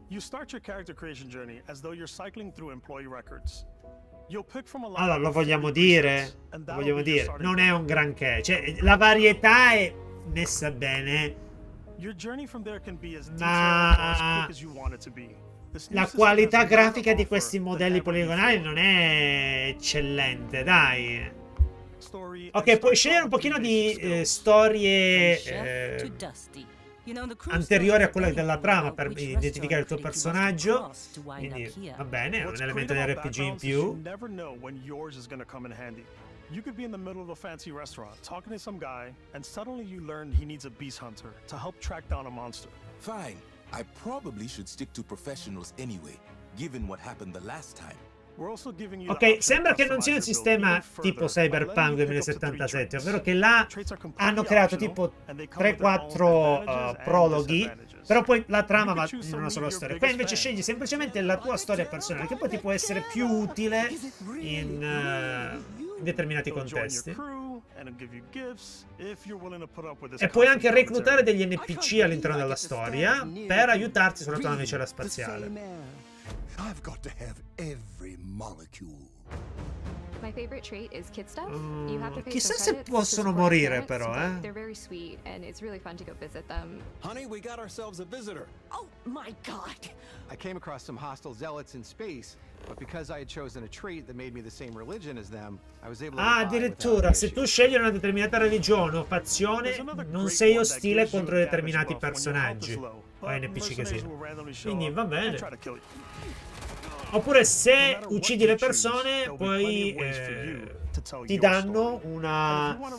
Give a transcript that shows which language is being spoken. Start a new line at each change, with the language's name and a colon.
English: You start your character creation journey as though you're cycling through employee records. You'll pick from a lot.
Italian: Allora, lo vogliamo dire, non è un granché, cioè la varietà è messa bene.
English: Your journey from there can be as detailed as you want it to be.
Italian: La qualità grafica di questi modelli poligonali non è eccellente, dai. Ok, puoi scegliere un pochino di storie anteriore a quella della trama per identificare il tuo personaggio. Quindi va bene, è un elemento di RPG in più.
English: Never know when yours is going to come in handy. You could be in the middle of a fancy restaurant talking to some guy and suddenly you learn he needs a beast hunter to help track down a monster. Fine, I probably should stick to professionals anyway, given what happened the last time.
Italian: Ok, sembra che non sia un sistema tipo Cyberpunk 2077, ovvero che là hanno creato tipo 3-4 prologhi, però poi la trama va in una sola storia. Qua invece scegli semplicemente la tua storia personale, che poi ti può essere più utile in determinati contesti. E puoi anche reclutare degli NPC all'interno della storia per aiutarti sulla tua navicella spaziale.
English: I've got to have every molecule. My favorite trait is kid stuff.
Italian: Chissà se possono morire però, eh.
English: They're very sweet and it's really fun to go visit them. Honey, we got ourselves a visitor. Oh my god. I came across some hostile zealots in space, but because I had chosen a trait that made me the same religion as them, I was able to.
Italian: Ah, addirittura, se tu scegli una determinata religione o fazione, non sei ostile contro determinati personaggi. O NPC che sia. Quindi va bene. Oppure se uccidi le persone, poi ti danno una